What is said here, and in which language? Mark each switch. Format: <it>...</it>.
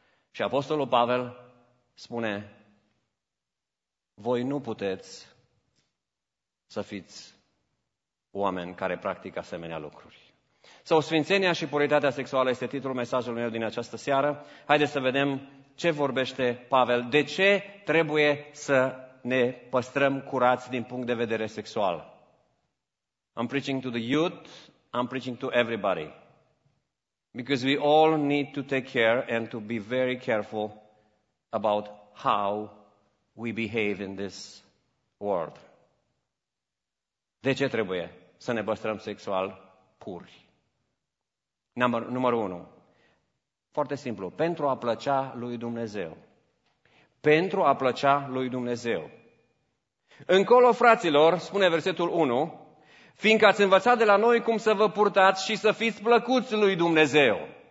<ro>Și Apostolul Pavel spune, voi nu puteți să fiți oameni care practică asemenea lucruri. Sau sfințenia și puritatea sexuală este titlul mesajului meu din această seară. Haideți să vedem ce vorbește Pavel. De ce trebuie să ne păstrăm curați din punct de vedere sexual?</ro> <en>I'm preaching to the youth, I'm preaching to everybody. Because we all need to take care and to be very careful about how we behave in this world.</en> <ro>De ce trebuie să ne păstrăm sexual puri? Numărul 1. Foarte simplu. Pentru a plăcea lui Dumnezeu. Pentru a plăcea lui Dumnezeu. Încolo, fraților, spune versetul 1, fiindcă ați învățat de la noi cum să vă purtați și să fiți plăcuți lui Dumnezeu.</ro>